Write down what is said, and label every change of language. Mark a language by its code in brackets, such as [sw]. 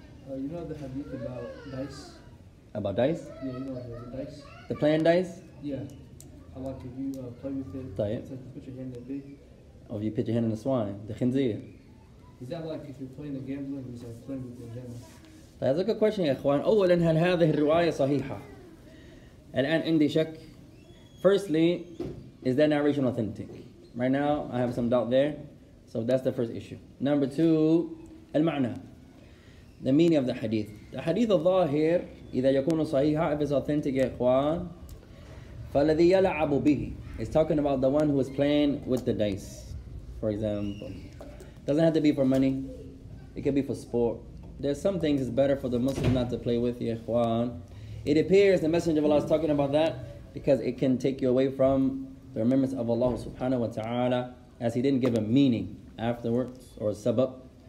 [en] You know the hadith about dice? About dice? Yeah, you know, the dice. The playing dice? Yeah. Allah, if you play with it, it's like you put your hand in a pig. Or if you put your hand in a swine, the khinzir. Is that like if you're playing the gambling, it's like playing with the gambling? That's a good question, ya ikhwan. [ar] أولا هل هذه الرواية صحيحة؟ الآن عندي شك. [en] Firstly, is that narration authentic? Right now, I have some doubt there. So that's the first issue. Number two, المعنى. The meaning of the hadith. The hadith of [ar] ظاهر, إذا يكون صحيحا, [en] if it's authentic, [ar] إخوان, فالذي يلعب به. [en] It's talking about the one who is playing with the dice, for example. Doesn't have to be for money. It can be for sport. There's some things it's better for the Muslim not to play with, إخوان. It appears the Messenger of Allah is talking about that because it can take you away from the remembrance of Allah subhanahu wa ta'ala, as he didn't give a meaning afterwards or a sabab.